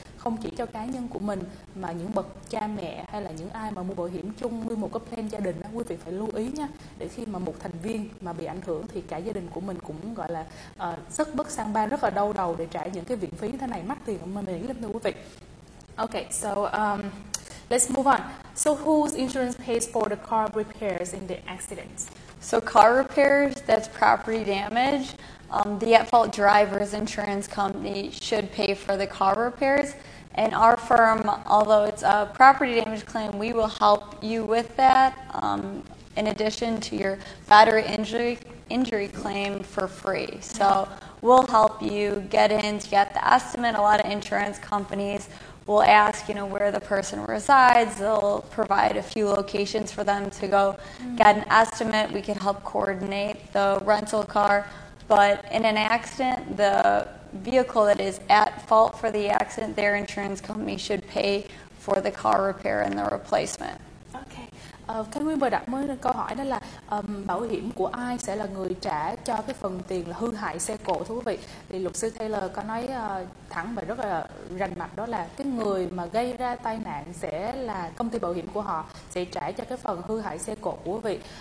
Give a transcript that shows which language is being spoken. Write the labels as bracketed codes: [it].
[vi] Không chỉ cho cá nhân của mình mà những bậc cha mẹ hay là những ai mà mua bảo hiểm chung như một cái plan gia đình đó, quý vị phải lưu ý nha, để khi mà một thành viên mà bị ảnh hưởng thì cả gia đình của mình cũng gọi là sức bất sang ba, rất là đau đầu để trả những cái viện phí thế này, mắc tiền mà mình nghĩ lắm, thưa quý vị. [en] Okay, so let's move on. So whose insurance pays for the car repairs in the accidents? So car repairs, that's property damage. The at-fault driver's insurance company should pay for the car repairs. And our firm, although it's a property damage claim, we will help you with that in addition to your battery injury claim for free. So we'll help you get in to get the estimate. A lot of insurance companies will ask, you know, where the person resides. They'll provide a few locations for them to go get an estimate. We can help coordinate the rental car. But in an accident, the vehicle that is at fault for the accident, their insurance company should pay for the car repair and the replacement. Okay. [vi] Khánh Nguyên vừa đặt mới câu hỏi đó là bảo hiểm của ai sẽ là người trả cho cái phần tiền là hư hại xe cộ, thưa quý vị. Thì luật sư Taylor có nói thẳng và rất là rành mạch, đó là cái người mà gây ra tai nạn sẽ là công ty bảo hiểm của họ sẽ trả cho cái phần hư hại xe cộ của quý vị.